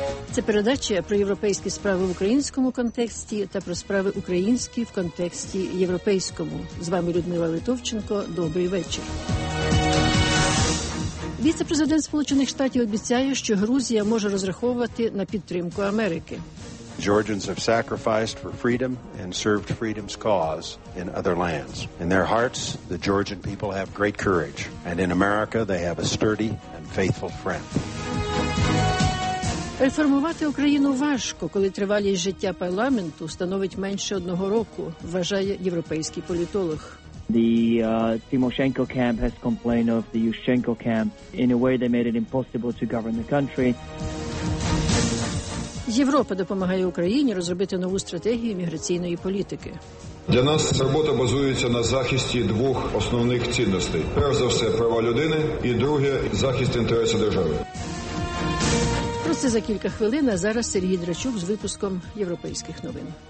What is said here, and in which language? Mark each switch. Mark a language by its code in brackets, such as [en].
[uk] Це передача про європейські справи в українському контексті та про справи українські в контексті європейському. З вами Людмила Литовченко. Добрий вечір. Віце-президент Сполучених Штатів обіцяє, що Грузія може розраховувати на підтримку Америки. [en] Georgians have sacrificed for freedom and served freedom's cause in other lands. In their hearts, the Georgian people have great courage, and in America they have a sturdy and faithful friend. [uk] Реформувати Україну важко, коли тривалість життя парламенту становить менше одного року, вважає європейський політолог. [en] The Тимошенко camp has complained of the Ющенко camp in a way they made it impossible to govern the country. [uk] Європа допомагає Україні розробити нову стратегію міграційної політики. Для нас робота базується на захисті двох основних цінностей. Перш за все, права людини, і друге – захист інтересів держави. Про це за кілька хвилин, а зараз Сергій Драчук з випуском європейських новин.